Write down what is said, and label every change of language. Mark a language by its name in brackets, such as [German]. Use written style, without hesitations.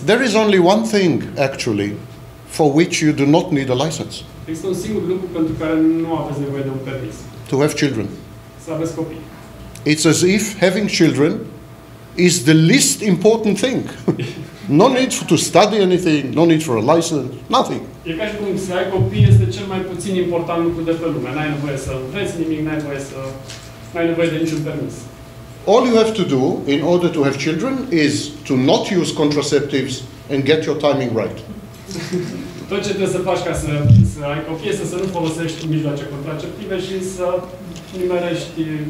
[English] There is only one thing, actually, for which you do not need a license. [Romanian] Există un singur lucru pentru care nu aveți nevoie de un permis. [English] To have children. [Romanian] Să aveți copii. [English] It's as if having children is the least important thing. No need to study anything, no need for a license, nothing. [Romanian] E ca și cum să ai copii este cel mai puțin important lucru de pe lume. N-ai nevoie să vezi nimic, n-ai nevoie de niciun permis. [English] All you have to do in order to have children is to not use contraceptives and get your timing right. [Romanian] Tot ce trebuie să faci ca să ai copii este să nu folosești mijloace contraceptive și să nimerești